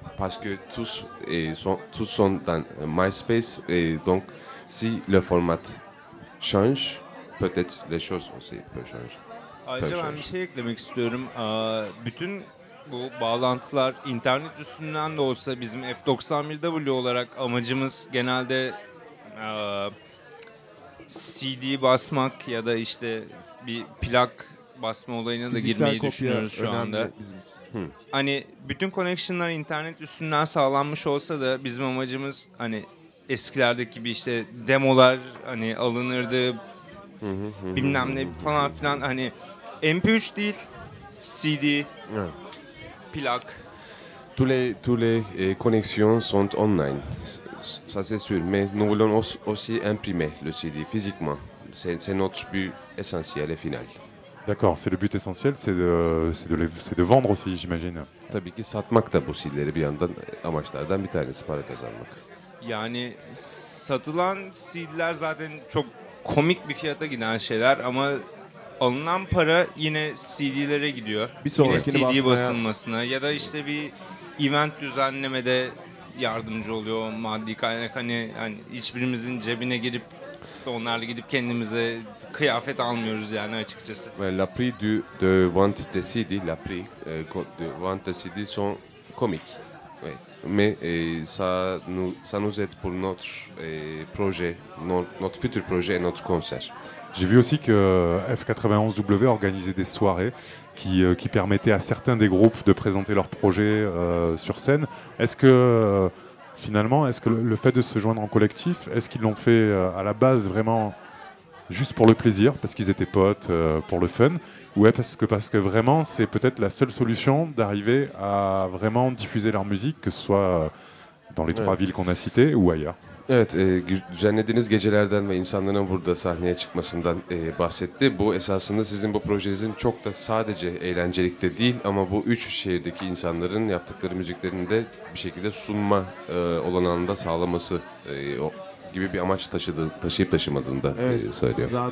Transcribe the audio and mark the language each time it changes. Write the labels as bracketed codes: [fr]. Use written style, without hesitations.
[fr] Parce que tous sont dans MySpace et donc si le format change, peut-être les choses aussi peuvent changer. [tr] Ayrıca ben bir şey eklemek istiyorum. Bütün bu bağlantılar internet üstünden de olsa bizim F91W olarak amacımız genelde CD basmak ya da işte bir plak basma olayına da girmeyi düşünüyoruz şu anda. Hani bütün connectionlar internet üstünden sağlanmış olsa da bizim amacımız hani eskilerdeki gibi işte demolar hani alınırdı bilmem ne falan filan hani MP3 değil, [fr] CD, ouais. [tr] Plak. [fr] Tous les connexions sont online, ça c'est sûr, mais nous voulons aussi imprimer le CD physiquement. C'est notre but essentiel et final. D'accord, c'est le but essentiel, c'est de vendre aussi, j'imagine. [tr] Tabii ki satmak da bu CD'leri bir yandan amaçlardan bir tanesi, para kazanmak. Yani satılan CD'ler zaten çok komik bir fiyata giden şeyler ama alınan para yine CD'lere gidiyor. Bir sonrakini basmaya. Yine CD basılmasına ya da işte bir event düzenlemede yardımcı oluyor maddi kaynak. Hani yani hiçbirimizin cebine girip de onlarla gidip kendimize kıyafet almıyoruz yani açıkçası. [fr] La prix de vente de CD, la prix de vente de CD sont comiques. Mais ça nous aide pour notre projet, notre futur projet et notre concert. J'ai vu aussi que F91W organisait des soirées qui permettaient à certains des groupes de présenter leurs projets sur scène. Est-ce que finalement, est-ce que le fait de se joindre en collectif, est-ce qu'ils l'ont fait à la base vraiment juste pour le plaisir, parce qu'ils étaient potes, pour le fun? Ou est-ce que parce que vraiment c'est peut-être la seule solution d'arriver à vraiment diffuser leur musique, que ce soit dans les trois villes qu'on a citées ou ailleurs? [tr] Evet, düzenlediğiniz gecelerden ve insanların burada sahneye çıkmasından bahsetti. Bu esasında sizin bu projenizin çok da sadece eğlencelik de değil ama bu üç şehirdeki insanların yaptıkları müziklerini de bir şekilde sunma olanağını da sağlaması gibi bir amaç taşıyıp taşımadığını evet, söylüyor.